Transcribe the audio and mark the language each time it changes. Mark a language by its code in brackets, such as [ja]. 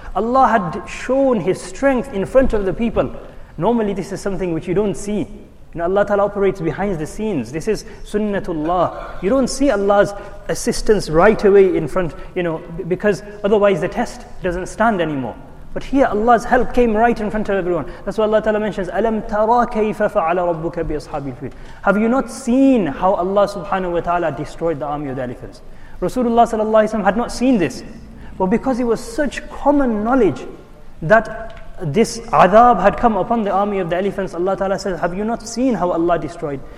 [en] Allah had shown his strength in front of the people. Normally this is something which you don't see. You know, Allah Ta'ala operates behind the scenes. This is sunnatullah. You don't see Allah's assistance right away in front, you know, because otherwise the test doesn't stand anymore. But here Allah's help came right in front of everyone. That's why Allah Ta'ala mentions, [ar] أَلَمْ تَرَى كَيْفَ فَعَلَ رَبُّكَ بِأَصْحَابِ الْفِيلِ. [en] Have you not seen how Allah subhanahu wa ta'ala destroyed the army of the elephants? Rasulullah sallallahu alayhi wa sallam had not seen this. But because it was such common knowledge that this adab had come upon the army of the elephants, Allah Ta'ala says, have you not seen how Allah destroyed?